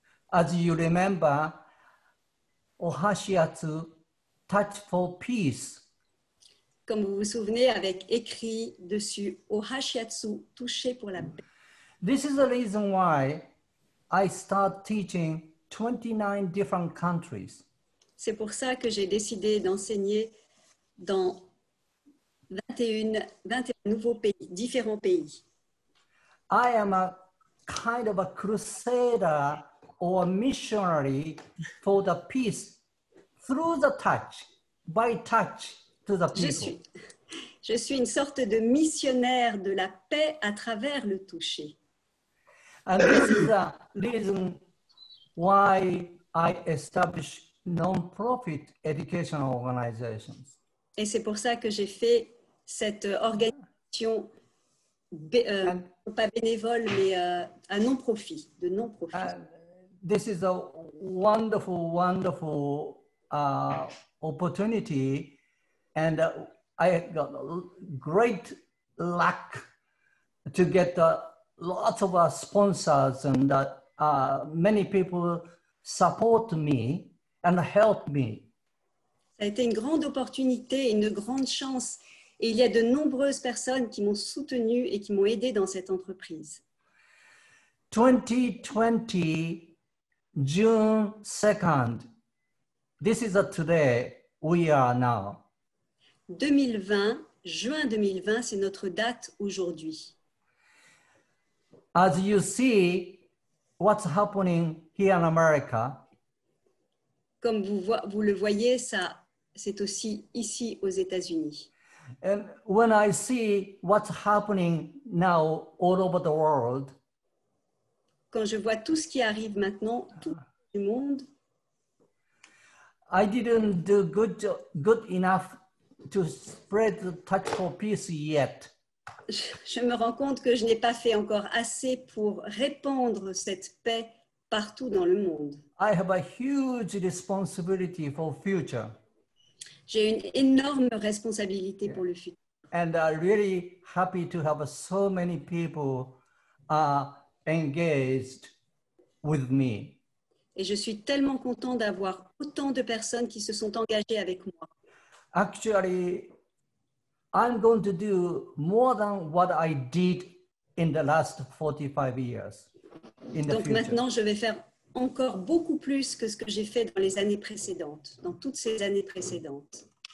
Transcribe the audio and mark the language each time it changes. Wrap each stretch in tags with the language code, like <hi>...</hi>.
<en>As you remember, Ohashiatsu, touch for peace.</en> <fr>Comme vous vous souvenez, avec écrit dessus, Ohashiatsu, toucher pour la paix.</fr> <en>This is the reason why I start teaching 29 different countries.</en> <fr>C'est pour ça que j'ai décidé d'enseigner dans 21 nouveaux pays, différents pays.</fr> <en>I am a kind of a crusader or a missionary for the peace through the touch, by touch to the people.</en> <fr>Je suis une sorte de missionnaire de la paix à travers le toucher.</fr> <en>And this is the reason why I established non-profit educational organizations.</en> <fr>Et c'est pour ça que j'ai fait cette organisation pas bénévole mais à non-profit, de non-profit.</fr> <en>This is a wonderful opportunity, and I got great luck to get lots of sponsors and many people support me and help me.</en> <fr>Ça a été une grande opportunité, une grande chance. Et il y a de nombreuses personnes qui m'ont soutenu et qui m'ont aidé dans cette entreprise.</fr> <en>2020, June 2nd. This is today we are now.</en> <fr>2020, juin 2020, c'est notre date aujourd'hui.</fr> <en>As you see what's happening here in America.</en> <fr>Comme vous le voyez, ça, c'est aussi ici aux États-Unis.</fr> <en>And when I see what's happening now all over the world,</en> <fr>quand je vois tout ce qui arrive maintenant, tout le monde,</fr> <en>I didn't do good enough to spread the touch for peace yet.</en> <fr>Je me rends compte que je n'ai pas fait encore assez pour répandre cette paix partout dans le monde.</fr> <en>I have a huge responsibility for future.</en> <fr>J'ai une énorme responsabilité pour le futur.</fr> <en>And I'm really happy to have so many people engaged with me.</en> <fr>Et je suis tellement content d'avoir autant de personnes qui se sont engagées avec moi.</fr> <en>Actually, I'm going to do more than what I did in the last 45 years.</en> <fr>Donc maintenant, je vais faire encore beaucoup plus que ce que j'ai fait dans les années précédentes, dans toutes ces années précédentes.</fr>